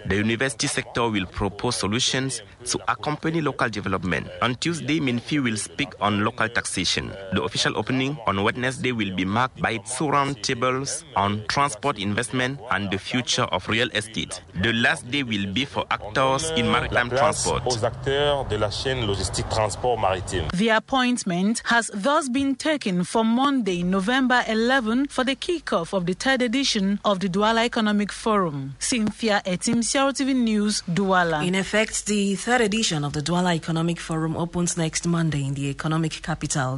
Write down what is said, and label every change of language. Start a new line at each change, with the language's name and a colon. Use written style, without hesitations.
English: The university sector will propose solutions to accompany local development. On Tuesday, Minfi will speak on local taxation. The official opening on Wednesday will be marked by two round tables on transport investment and the future of real estate. The last day will be for actors in maritime transport.
French: Aux acteurs de la chaîne logistique transport maritime.
English: The appointment has thus been taken for Monday, November 11, for the kickoff of the third edition of the Douala Economic Forum. Cynthia Etim, CRTV News, Douala. In effect, the third edition of the Douala Economic Forum opens next Monday in the economic capital.